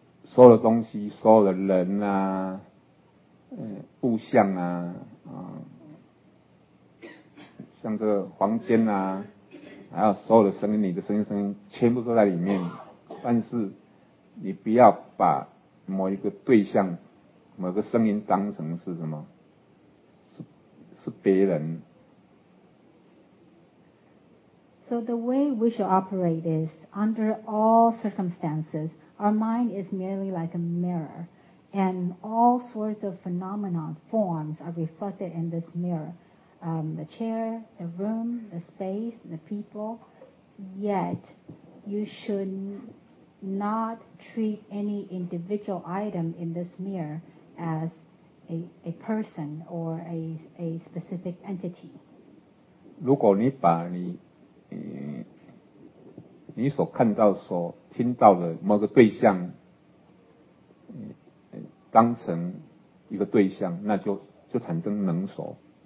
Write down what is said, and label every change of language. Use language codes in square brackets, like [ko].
[zh] 所有的东西，所有的人啊，物象啊，像这个房间啊，还有所有的声音，你的声音，全部都在里面。但是，你不要把某一个对象、某个声音当成是什么，是别人。 [en] So the way we should operate is under all circumstances. Our mind is merely like a mirror, and all sorts of phenomena, forms, are reflected in this mirror. The chair, the room, the space, the people. Yet, you should not treat any individual item in this mirror as a person or a specific entity. [zh] 如果你把你你所看到所听到的某个对象当成一个对象，那就产生能所。